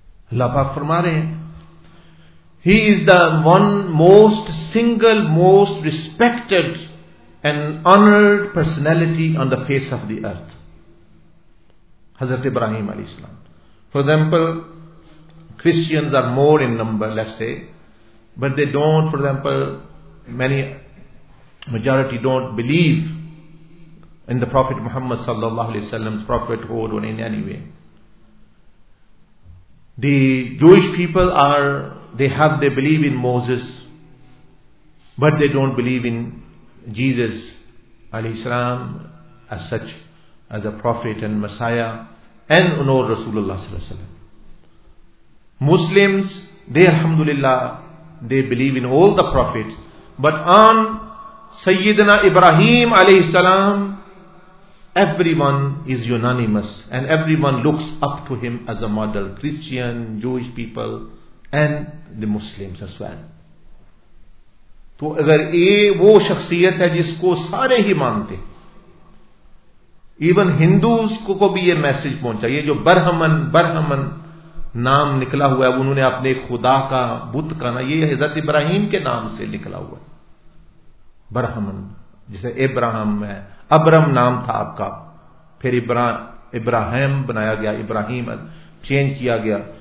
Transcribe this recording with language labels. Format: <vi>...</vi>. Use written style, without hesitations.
<ur>اللہ پاک فرما رہے ہیں</ur> <en>He is the one most single most respected and honored personality on the face of the earth.</en> <ur>حضرت ابراہیم علیہ السلام.</ur> <en>For example, Christians are more in number, let's say, but they don't, for example, many majority don't believe in the Prophet Muhammad sallallahu alaihi wasallam's prophethood or in any way. The Jewish people are, they have, they believe in Moses, but they don't believe in Jesus alayhi salam as such, as a prophet and messiah, and honor Rasulullah sallallahu alaihi wasallam. Muslims, they alhamdulillah, they believe in all the prophets, but on Sayyidina Ibrahim alayhi salam, everyone is unanimous and everyone looks up to him as a model, Christian, Jewish people and the Muslims as well.</en> <ur>تو اگر یہ وہ شخصیت ہے جس کو سارے ہی مانتے, ایون ہندوز کو بھی یہ میسج پہنچا, یہ جو برہمن برہمن نام نکلا ہوا ہے, انہوں نے اپنے خدا کا بت کا نا, یہ حضرت ابراہیم کے نام سے نکلا ہوا ہے برہمن, جسے ابراہم ہے, ابرم نام تھا آپ کا, پھر ابراہیم بنایا گیا, ابراہیم چینج کیا گیا.</ur>